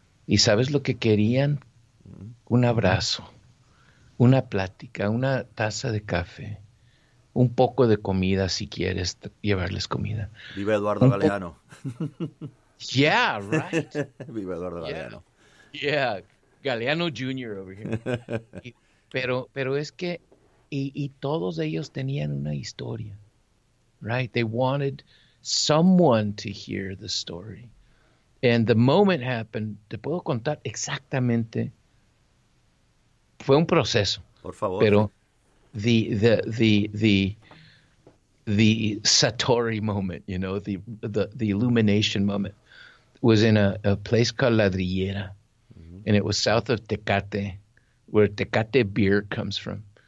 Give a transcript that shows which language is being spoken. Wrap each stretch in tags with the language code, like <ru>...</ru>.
<es>¿Y sabes lo que querían? Un abrazo, una plática, una taza de café, un poco de comida si quieres llevarles comida. ¡Viva Eduardo Galeano!</es> <en>¡Yeah, right!</en> <es>¡Viva Eduardo Galeano!</es> <en>¡Yeah, Galeano Jr. over here!</en> <es>Pero es que, y todos ellos tenían una historia,</es> <en>right? They wanted someone to hear the story. And the moment happened,</en> <es>te puedo contar exactamente, fue un proceso. Por favor. Pero</es> <en>the Satori moment, you know, the illumination moment was in a place called Ladrillera. Mm-hmm. And it was south of Tecate, where Tecate beer comes from.</en>